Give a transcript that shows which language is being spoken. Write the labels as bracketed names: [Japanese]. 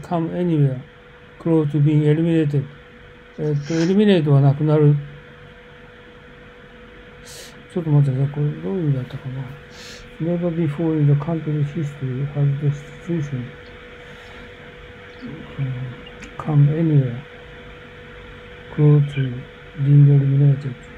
[English] come anywhere close to being eliminated、 eliminate [Japanese] はなくなる、ちょっと待ってください。これどういう意味だったかな。 [English] Never before in the country's history has the situation come anywhere close to being eliminated.